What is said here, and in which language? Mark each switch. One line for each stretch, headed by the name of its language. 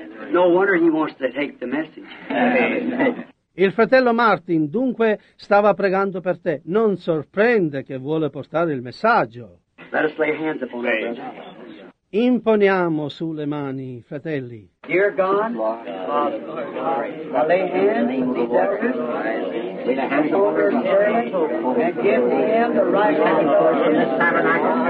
English: No wonder he wants to take the message.
Italian: Il fratello Martin, dunque, stava pregando per te. Non sorprende che vuole portare il messaggio.
English: Let us lay hands upon him.
Italian: Imponiamo sulle mani, fratelli.
English: Dear God, Father, lay hands on these efforts, with hands on their servants, and give them the right hand of the tabernacle.